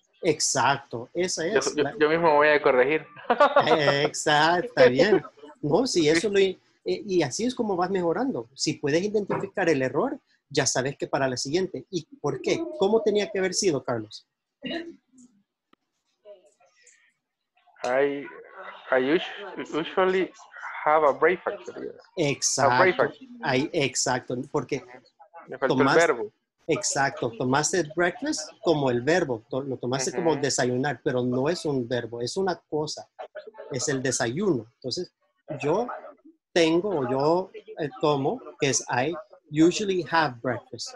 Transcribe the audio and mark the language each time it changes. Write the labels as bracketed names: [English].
[Spanish] Exacto, esa es. Yo mismo voy a corregir. Exacto, está bien. No, sí, eso lo. Y así es como vas mejorando. Si puedes identificar el error, ya sabes que para la siguiente. ¿Y por qué? ¿Cómo tenía que haber sido, Carlos? [English] I usually have a breakfast. [Spanish] Exacto. A breakfast. Exacto, porque. Me faltó el verbo. Exacto, tomaste breakfast como el verbo, lo tomaste como desayunar, pero no es un verbo, es una cosa, es el desayuno. Entonces, yo tengo o yo tomo, que es I usually have breakfast.